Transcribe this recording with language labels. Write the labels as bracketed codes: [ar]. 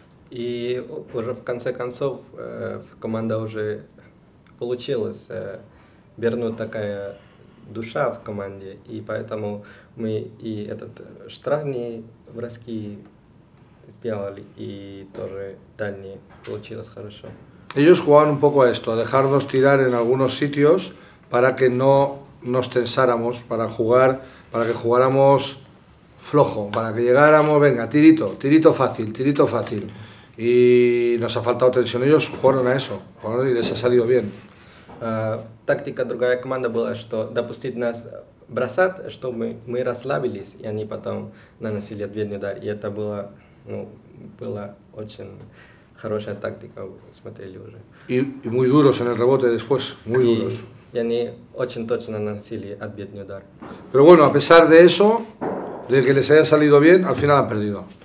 [ru] Y уже в конце концов команда уже получилось вернуть такая душа в команде, и поэтому мы и этот штрафные броски сделали, и тоже дальние получилось хорошо. [es] Ellos jugaban un poco a esto, a dejarnos tirar en algunos sitios para que no nos tensáramos, para jugar, para que jugáramos flojo, para que llegáramos, venga, tirito, tirito fácil, tirito fácil. Y nos ha faltado tensión. Ellos jugaron a eso, jugaron y les ha salido bien. Táctica de otra [ru] команда была, что допустить нас бросать, чтобы мы расслабились, и они потом наносили ответный удар. И это было, ну, было очень... Хорошая тактика, смотрели уже. [es] И muy duros en el rebote después, muy duros. [ru] И они очень точно наносили ответный удар. [es] Pero bueno, a pesar de eso, de que les haya salido bien, al final han perdido.